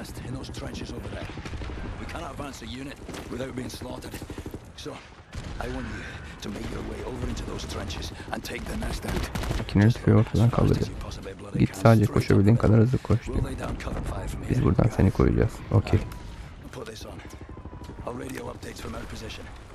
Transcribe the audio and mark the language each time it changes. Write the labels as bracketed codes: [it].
[en] In those trenches over there. We cannot advance a unit without being slaughtered. So, I want you to make your way over into those trenches and take the nest out. [tr] Kineriz köyü ortadan kaldırdı. Git sadece koşabildiğin kadar hızlı koş diyor. Biz buradan seni koyacağız. [en] Okey. Put this on. I'll radio updates from our position.